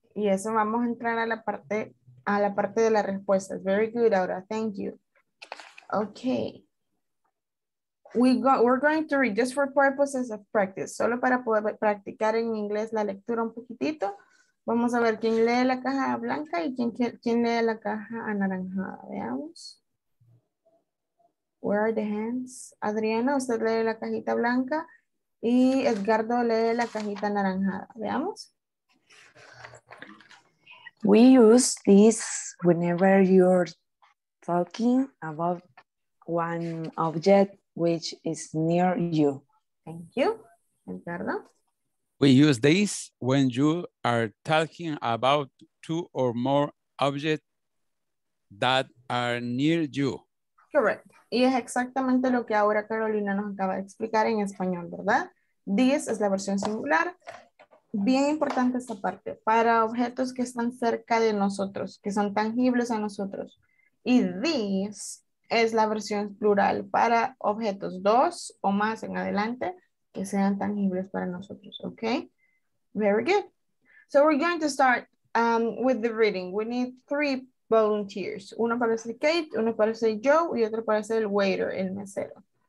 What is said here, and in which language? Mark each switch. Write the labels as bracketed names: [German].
[Spanish] Y eso vamos a entrar a la parte de la respuesta. [English] Very good, Aura. Thank you. Okay. We're going to read just for purposes of practice. [Spanish] Solo para poder practicar en inglés la lectura un poquitito. Vamos a ver quién lee la caja blanca y quién lee la caja anaranjada. Veamos. [English] Where are the hands? [Spanish] Adriana, usted lee la cajita blanca. Y Edgardo lee la cajita anaranjada. Veamos. [English] We use this whenever you're talking about one object which is near you. Thank you, Edgardo. We use this when you are talking about two or more objects that are near you. Correct. [Spanish] Y es exactamente lo que ahora Carolina nos acaba de explicar en español, ¿verdad? This es la versión singular. Bien importante esta parte. Para objetos que están cerca de nosotros, que son tangibles a nosotros. Y this es la versión plural para objetos dos o más en adelante que sean tangibles para nosotros. [English] Okay? Very good. So we're going to start with the reading. We need three volunteers. [Spanish] Uno para ser Kate, uno para ser Joe y otro para ser el waiter, el mesero.